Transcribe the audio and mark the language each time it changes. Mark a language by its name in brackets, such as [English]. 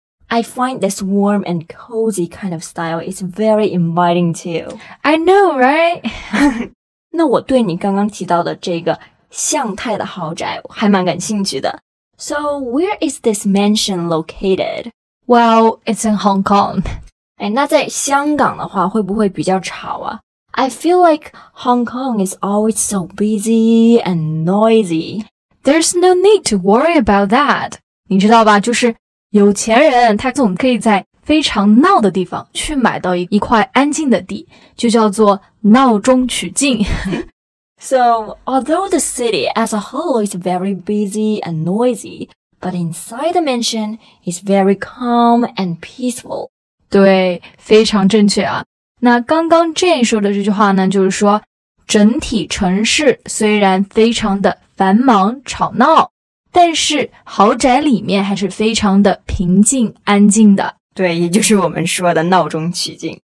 [English] I find this warm and cozy kind of style is very inviting too. I know, right? [Chinese] 那我对你刚刚提到的这个向太的豪宅还蛮感兴趣的。 [English] So, where is this mansion located? Well, it's in Hong Kong. [Chinese] 哎，那在香港的话会不会比较吵啊? [English] I feel like Hong Kong is always so busy and noisy. There's no need to worry about that. [Chinese] 你知道吧,就是有钱人他总可以在非常闹的地方去买到 一块安静的地就叫做闹中取静。 [English] So, although the city as a whole is very busy and noisy, but inside the mansion is very calm and peaceful. [Chinese] 对非常正确啊。那刚刚 Jane 说的这句话呢就是说整体城市虽然非常的繁忙吵闹但是豪宅里面还是非常的平静安静的。对也就是我们说的闹中取静。